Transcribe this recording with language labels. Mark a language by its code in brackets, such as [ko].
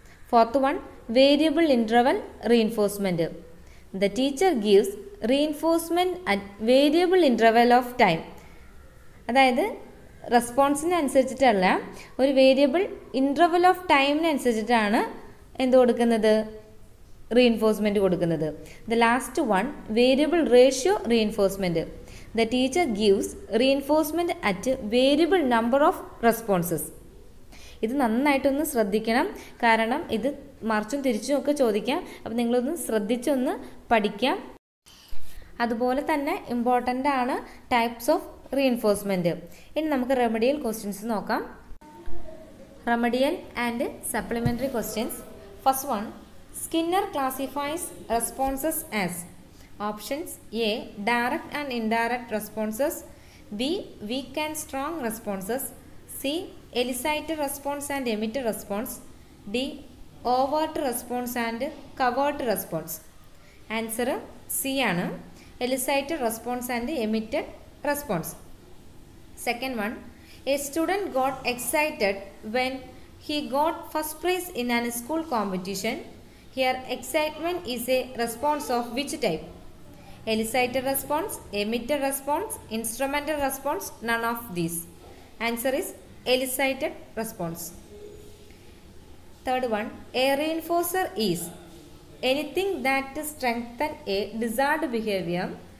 [en] Fourth one, variable interval reinforcement. The teacher gives reinforcement at variable interval of time. [ml] അതായത് റെസ്പോൺസിനനുസരിച്ചിട്ടല്ല, ഒരു variable interval of ടൈമിനനുസരിച്ചിട്ടാണ് എന്ത് കൊടുക്കുന്നത്, reinforcement കൊടുക്കുന്നത്. [en] The last one, variable ratio reinforcement. The teacher gives reinforcement at variable number of responses. [ml] ഇത് നന്നായിട്ടൊന്ന് ശ്രദ്ധിക്കണം, കാരണം ഇത് മറിച്ചും തിരിച്ചും ഒക്കെ ചോദിക്കാം. അപ്പം നിങ്ങളൊന്ന് ശ്രദ്ധിച്ചൊന്ന് പഠിക്കാം. അതുപോലെ തന്നെ ഇമ്പോർട്ടൻ്റ് ആണ് ടൈപ്സ് ഓഫ് റീഇൻഫോഴ്സ്മെൻറ്. ഇനി നമുക്ക് റെമഡിയൽ ക്വസ്റ്റ്യൻസ് നോക്കാം. [en] Remedial and supplementary questions. First one, Skinner classifies responses as. Options, A direct and indirect responses, B weak and strong responses, C elicit response and emit response, D overt response and covert response. Answer C ആണ്, elicit response and emit response. Second one, a student got excited when He got first prize in a school competition. Here, excitement is a response of which type? Elicited response, emitted response, instrumental response, none of these. Answer is elicited response. Third one, a reinforcer is anything that strengthens a desired behavior.